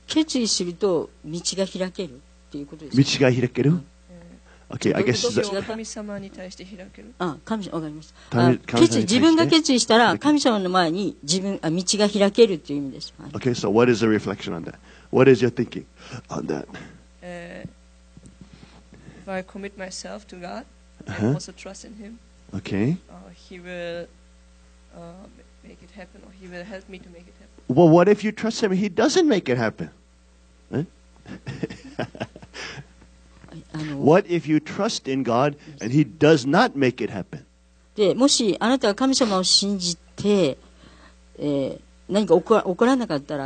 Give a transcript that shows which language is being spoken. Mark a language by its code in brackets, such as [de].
[ja] 決意すると、道が開けるっていうことです。道が開ける? [en] Okay, I guess [ja] so. 神様に対して開ける。あ、神様、わかりました。自分が決意したら、神様の前に自分、道が開けるっていう意味です。 [en] Okay, so what is the reflection on that? What is your thinking on that? If I commit myself to God, and also trust in Him, okay, He will make it happen, or He will help me to make it happen. Well, what if you trust Him and He doesn't make it happen? What if you trust in God and He does not make it happen? [ja] で、もしあなたが神様を信じて、何か起こらなかったら、